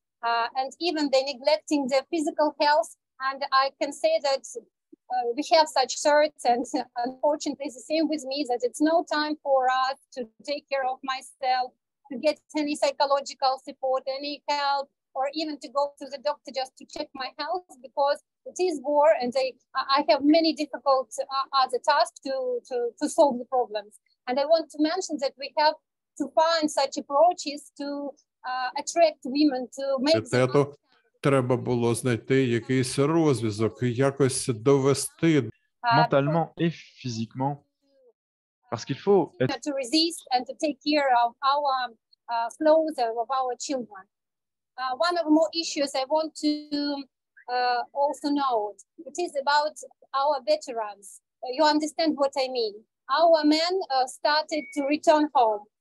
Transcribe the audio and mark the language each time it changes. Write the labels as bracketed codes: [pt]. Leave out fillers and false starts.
[en] And even they're neglecting their physical health. And I can say that we have such thoughts, and unfortunately, it's the same with me, that it's no time for us to take care of myself, to get any psychological support, any help, or even to go to the doctor just to check my health, because it is war, and I have many difficult other tasks to solve the problems. And I want to mention that we have to find such approaches to attract women, to make them... [uk] Треба було знайти якийсь розв'язок, якось довести ментально і фізично. Parce qu'il faut [fr] être... [en] to resist and to take care of our clothes of our children. One of more issues I want to also note, it is about our veterans. You understand what I mean. Our men started to return home.